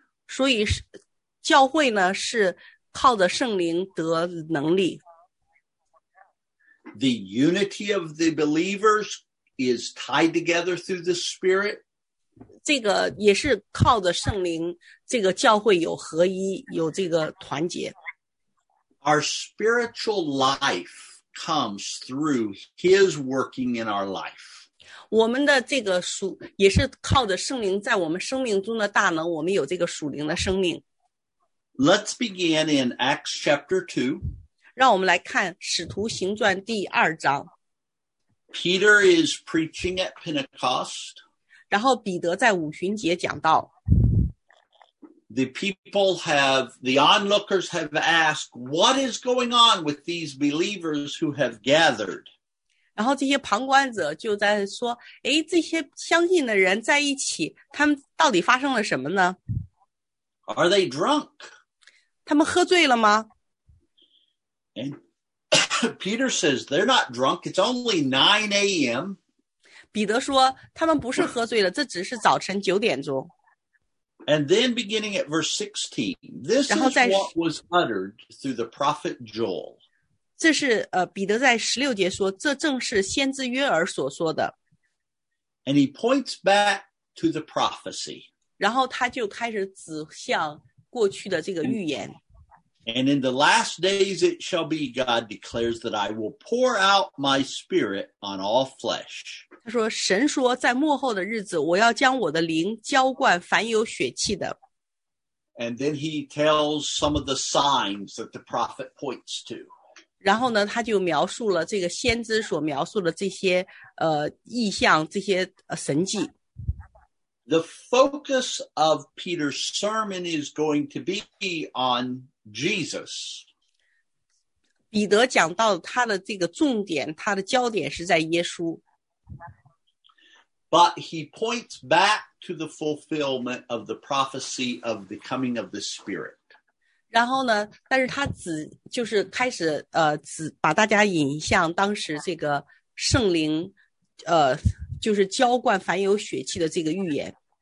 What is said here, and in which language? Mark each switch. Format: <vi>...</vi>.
<zh>所以教会呢是靠着圣灵得能力。</zh> <en>The unity of the believers is tied together through the Spirit.</en> <zh>这个也是靠着圣灵，这个教会有合一，有这个团结。</zh> <en>Our spiritual life comes through His working in our life.</en> <zh>我们的这个属也是靠着圣灵在我们生命中的大能，我们有这个属灵的生命。</zh> <en>Let's begin in Acts chapter 2.</en> <zh>让我们来看使徒行传第二章。</zh> <en>Peter is preaching at Pentecost.</en> <zh>然后彼得在五旬节讲道。</zh> <en>The onlookers have asked, what is going on with these believers who have gathered?</en> <zh>然后这些旁观者就在说，诶，这些相信的人在一起，他们到底发生了什么呢？</zh> <en>Are they drunk?</en> <zh>他们喝醉了吗？</zh> <en>And Peter says, they're not drunk, it's only 9 a.m.</en> <zh>彼得说他们不是喝醉了，这只是早晨九点钟。</zh> <en>And then beginning at verse 16, this is what was uttered through the prophet Joel.</en> <zh>这是彼得在十六节说，这正是先知约珥所说的。</zh> <en>And he points back to the prophecy.</en> <zh>然后他就开始指向过去的这个预言。</zh> <en>And in the last days it shall be, God declares, that I will pour out my spirit on all flesh.</en> <zh>他说神说在末后的日子我要将我的灵浇灌凡有血气的。</zh> <en>And then he tells some of the signs that the prophet points to.</en> <zh>然后呢他就描述了这个先知所描述的这些异象这些神迹。</zh> <en>The focus of Peter's sermon is going to be on Jesus.</en> <zh>彼得讲到他的这个重点，他的焦点是在耶稣。</zh> <en>But he points back to the fulfillment of the prophecy of the coming of the Spirit.</en> <zh>然后呢，但是他指就是开始指把大家引向当时这个圣灵就是浇灌凡有血气的这个预言。</zh>